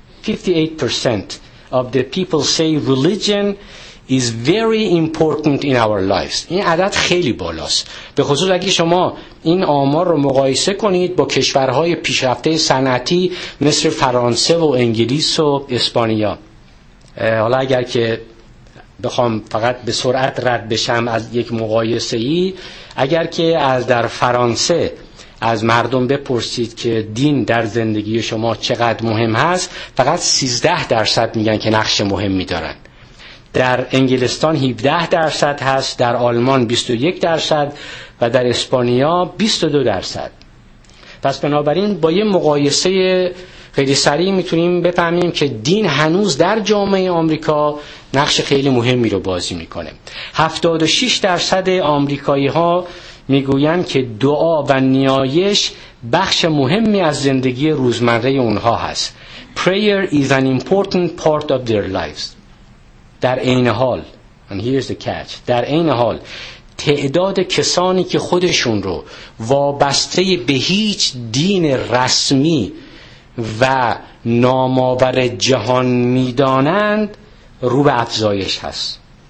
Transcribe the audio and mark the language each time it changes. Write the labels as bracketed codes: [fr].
[en] 58% of the people say religion is very important in our lives. [fa] این عدد خیلی بالاست، به خصوص اگه شما این آمار رو مقایسه کنید با کشورهای پیشرفته صنعتی مثل فرانسه و انگلیس و اسپانیا. حالا اگر که بخوام فقط به سرعت رد بشم از یک مقایسه ای، اگر که از در فرانسه از مردم بپرسید که دین در زندگی شما چقدر مهم هست، فقط 13% میگن که نقش مهم میدارن. در انگلستان 17% هست، در آلمان 21% و در اسپانیا 22%. پس بنابراین با یه مقایسه خیلی سریع میتونیم بفهمیم که دین هنوز در جامعه آمریکا نقش خیلی مهمی رو بازی میکنه. 76% آمریکایی ها میگویند که دعا و نیایش بخش مهمی از زندگی روزمره اونها هست. [en] Prayer is an important part of their lives. [fa] در این حال، [en] and here's the catch، [fa] در این حال تعداد کسانی که خودشون رو وابسته به هیچ دین رسمی و نام‌آور جهان میدانند رو به افزایش هست.